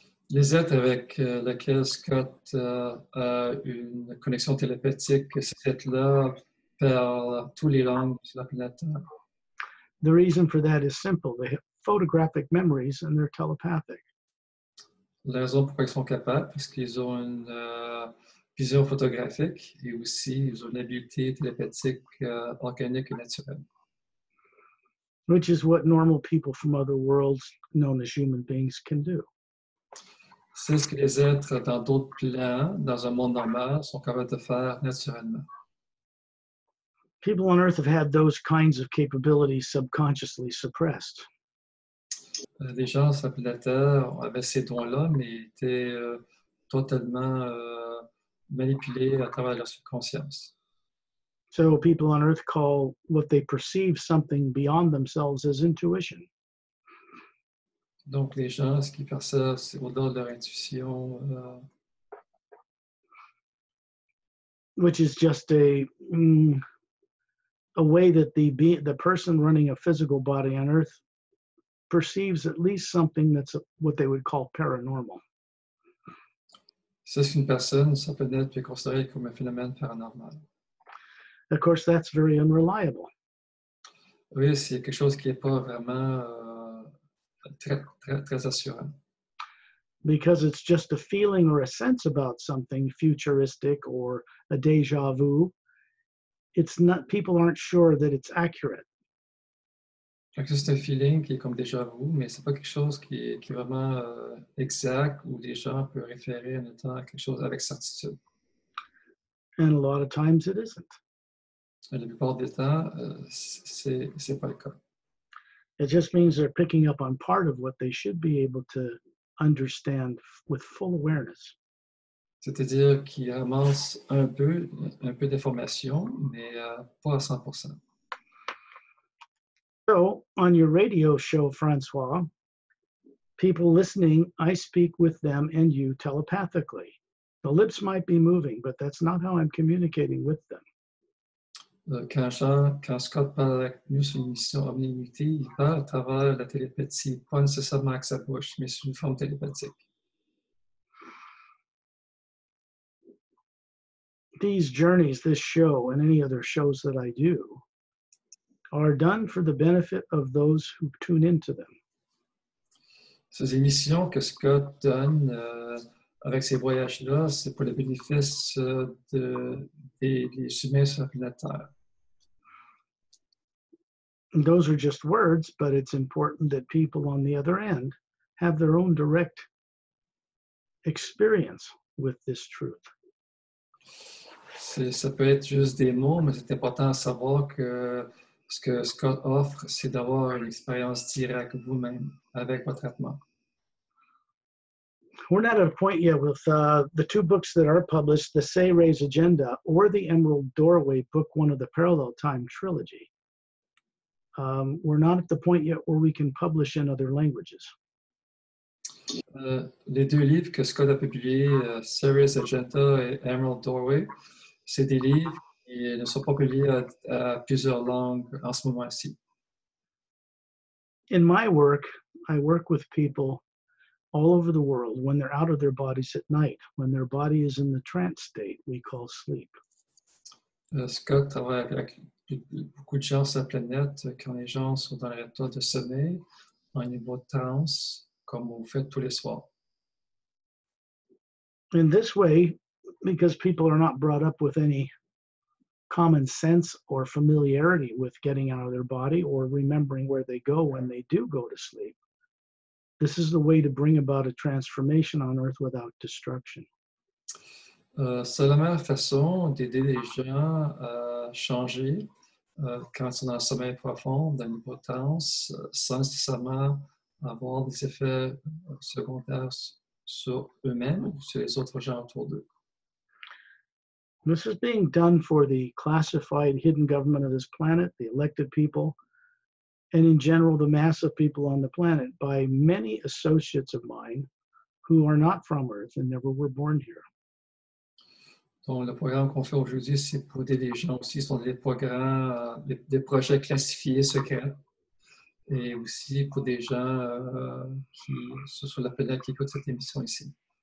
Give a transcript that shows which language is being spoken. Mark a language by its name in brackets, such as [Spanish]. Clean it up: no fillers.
[French] Les êtres avec lesquels Scott a une connexion télépathique, ces êtres-là parlent toutes les langues sur la planète Terre. [English] The reason for that is simple. They have photographic memories and they're telepathic. [French] La raison pour laquelle ils sont capables, parce qu'ils ont une vision photographique et aussi ils ont une habileté télépathique organique et naturelle. [English] Which is what normal people from other worlds known as human beings can do. [French] C'est ce que les êtres dans d'autres plans, dans un monde normal, sont capables de faire naturellement. [English] People on Earth have had those kinds of capabilities subconsciously suppressed. [French] Les gens sur la planète Terre avaient ces dons-là, mais étaient totalement manipulés à travers leur subconscience. [English] So people on Earth call what they perceive something beyond themselves as intuition. [French] Donc les gens, ce qu'ils perçoivent, c'est au-delà de leur intuition. [English] Which is just a way that the person running a physical body on Earth perceives at least something that's what they would call paranormal. [French] C'est une personne, ça peut être puis considéré comme un phénomène paranormal. [English] Of course, that's very unreliable. [French] Oui, c'est quelque chose qui n'est pas vraiment très assurant. [English] Because it's just a feeling or a sense about something futuristic or a déjà vu. It's not, people aren't sure that it's accurate. [French] C'est un feeling qui est comme déjà vu, mais c'est pas quelque chose qui est vraiment exact où les gens peuvent référer en étant quelque chose avec certitude. [English] And a lot of times it isn't. [French] Et la plupart des temps, c'est pas le cas. [English] It just means they're picking up on part of what they should be able to understand with full awareness. [French] C'est-à-dire qu'ils ramassent un peu d'information, mais pas à 100%. [English] So, on your radio show, François, people listening, I speak with them and you telepathically. The lips might be moving, but that's not how I'm communicating with them. [French] Quand Scott parle avec nous sur une mission Omni-Unity, il parle à travers la télépathie, pas nécessairement avec sa bouche, mais sous une forme télépathique. [English] These journeys, this show, and any other shows that I do, are done for the benefit of those who tune into them. [French] Ces émissions que Scott donne avec ces voyages-là, c'est pour le bénéfice des humains sur la Terre. [English] Those are just words, but it's important that people on the other end have their own direct experience with this truth. [French] Ça peut être juste des mots, mais c'est important de savoir que ce que Scott offre, c'est d'avoir une expérience directe vous-même avec votre traitement. [English] We're not at a point yet with the two books that are published, the Say Raise Agenda or the Emerald Doorway book one of the Parallel Time Trilogy. We're not at the point yet where we can publish in other languages. [French] Les deux livres que Scott a publiés, Serious Agenda et Emerald Doorway, c'est des livres qui ne sont pas publiés à plusieurs langues en ce moment-ci. [English] In my work, I work with people all over the world when they're out of their bodies at night, when their body is in the trance state we call sleep. [French] Scott travaille avec beaucoup de gens sur la planète quand les gens sont dans l'état de sommeil, en niveau de trance, comme vous faites tous les soirs. [English] in this way, because people are not brought up with any common sense or familiarity with getting out of their body or remembering where they go when they do go to sleep, this is the way to bring about a transformation on Earth without destruction. [French] C'est la meilleure façon d'aider les gens à changer quand ils sont dans un sommeil profond, dans une potence, sans nécessairement avoir des effets secondaires sur eux-mêmes ou sur les autres gens autour d'eux. [English] This is being done for the classified hidden government of this planet, the elected people, and in general, the mass of people on the planet by many associates of mine who are not from Earth and never were born here. [French] Donc, le programme qu'on fait aujourd'hui, c'est pour aider les gens aussi. Ce sont des programmes, des projets classifiés secrets. Et aussi pour des gens qui sont sur la planète qui écoutent cette émission ici.